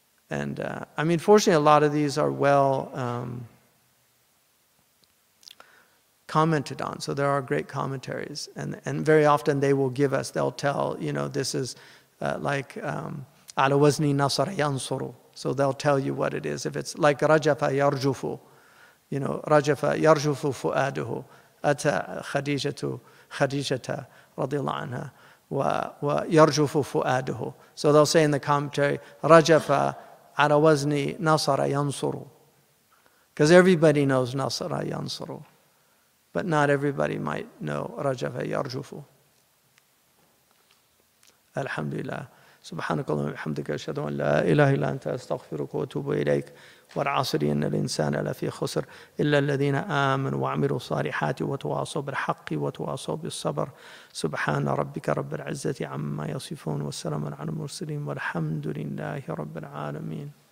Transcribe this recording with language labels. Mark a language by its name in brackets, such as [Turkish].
[English] And I mean, fortunately, a lot of these are well commented on. So there are great commentaries. And very often they will give us, they'll tell, you know, this is like, [Arabic] على وزن نصر ينصر. [English] So they'll tell you what it is. If it's like [Arabic] رجف يرجف, you know, رجف يرجف فؤاده أتى خديجة رضي الله عنها ويرجف فؤاده. [English] So they'll say in the commentary, [Arabic] رجف على وزن نصر ينصر. [English] Because everybody knows نصر ينصر. But not everybody might know رجف يرجف. [Arabic] الحمد لله. سبحانك اللهم وبحمدك أشهد أن لا إله إلا أنت أستغفرك وأتوب إليك والعصر إن الإنسان لفي خسر إلا الذين آمنوا وعملوا الصالحات وتواصوا بالحق وتواصوا بالصبر سبحان ربك رب العزة عما يصفون والسلام على المرسلين والحمد لله رب العالمين.